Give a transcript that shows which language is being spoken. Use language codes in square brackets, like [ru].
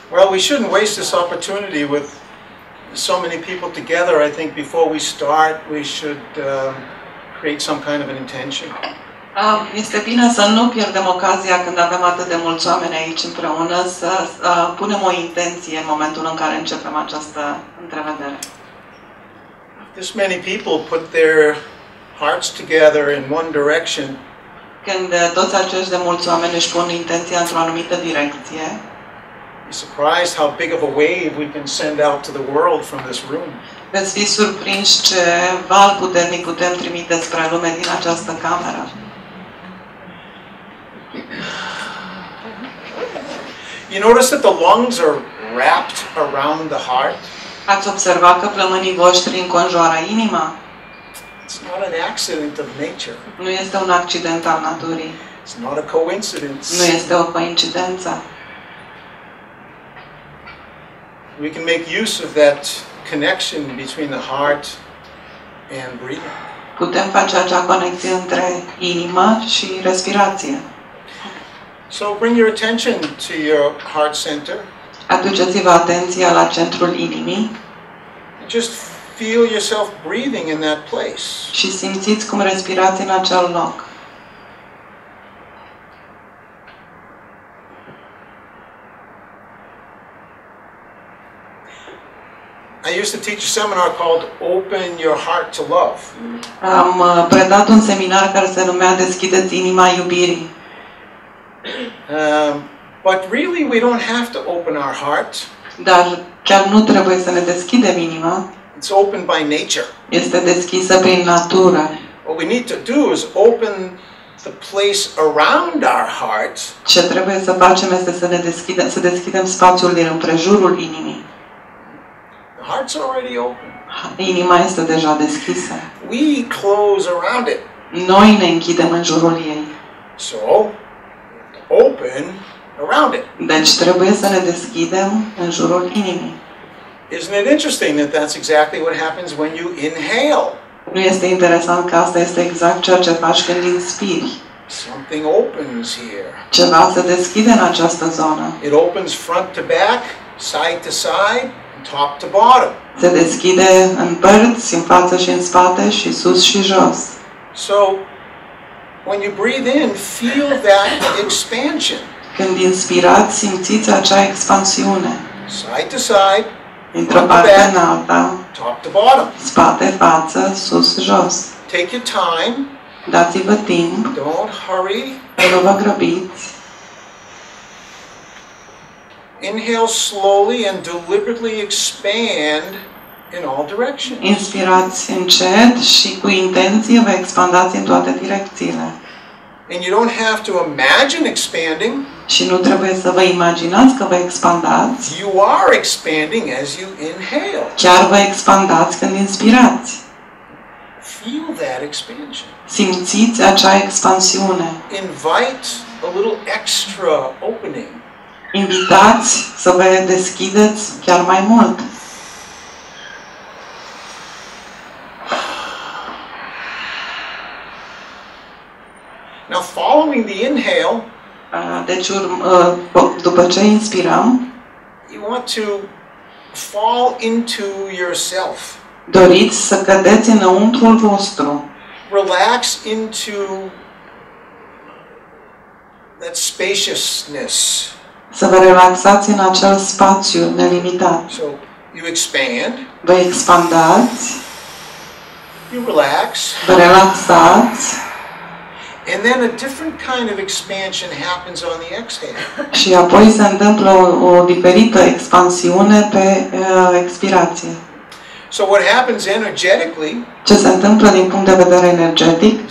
[en] We shouldn't waste this opportunity with so many people together. I think before we start, we should create some kind of an intention. [ro] Este bine să nu pierdem ocazia când avem atât de mulți oameni aici împreună să punem o intenție în momentul în care începem această întrevedere. [en] This many people put their hearts together in one direction. [ro] Când toți acești de mulți oameni își pun intenția într-o anumită direcție. [en] Surprised how big of a wave we can send out to the world from this room. [ro] Veți fi surprinși ce val puternic putem trimite spre lume din această cameră. [en] You notice that the lungs are wrapped around the heart? [ro] Ați observat că plămânii voștri înconjoară inima? [en] It's not an accident of nature. [ro] Nu este un accident al naturii. [en] It's not a coincidence. [ro] Nu este o coincidență. [en] We can make use of that connection between the heart and breathing. [ro] Putem face acea conexiune între inimă și respirație. [en] So bring your attention to your heart center. [ro] Aduceți-vă atenția la centrul inimii. [en] Just feel yourself breathing in that place. [ro] Și simțiți cum respirați în acel loc. [en] I used to teach a seminar called Open Your Heart to Love. [ro] Am predat un seminar care se numea Deschideți inima iubirii. [en] But really we don't have to open our heart. [ro] Dar chiar nu trebuie să ne deschidem inima. [en] It's open by nature. [ro] Este deschisă prin natură. [en] What we need to do is open the place around our heart. [ro] Ce trebuie să facem este să ne deschidem, să deschidem spațiul din împrejurul inimii. [en] Heart's already open. [ro] Inima este deja deschisă. [en] We close around it. [ro] Noi ne închidem în jurul ei. [en] So, open around it. [ro] Deci trebuie să ne deschidem în jurul inimii. [en] Isn't it interesting that that's exactly what happens when you inhale? [ro] Nu este interesant că asta este exact ceea ce faci când inspiri. [en] Something opens here. [ro] Ceva se deschide în această zonă. [en] It opens front to back, side to side, top to bottom. [ro] Se deschide în părți, în față și în spate, și sus și jos. [en] So when you breathe in, feel that expansion. [ro] Când inspirați, simțiți acea expansiune. [en] Side to side, [ro] într-o parte în alta, [en] top to bottom. [ro] Spate, față, sus, jos. [en] Take your time. [ro] Dați-vă timp. [en] Don't hurry. [ro] Nu vă grăbiți. [en] Inhale slowly and deliberately expand in all directions. [ro] Inspirați încet și cu intenție vă expandați în toate direcțiile. [en] And you don't have to imagine expanding. [ro] Și nu trebuie să vă imaginați că vă expandați. [en] You are expanding as you inhale. [ro] Chiar vă expandați când inspirați. [en] Feel that expansion. [ro] Simțiți acea expansiune. [en] Invite a little extra opening. [ro] Invitați să vă deschideți chiar mai mult. [en] Now following the inhale, [ro] deci după ce inspirăm, [en] you want to fall into yourself. [ro] Doriți să cădeți înăuntrul vostru. [en] Relax into that spaciousness. [ro] Să vă relaxați în acel spațiu nelimitat. [en] So you expand. [ro] Vă expandați. [en] You relax. [ro] Vă relaxați. [en] And then a different kind of expansion happens on the exhale. [ro] Și apoi se întâmplă o diferită expansiune pe expirație. [en] So what happens energetically? [ro] Ce se întâmplă din punct de vedere energetic?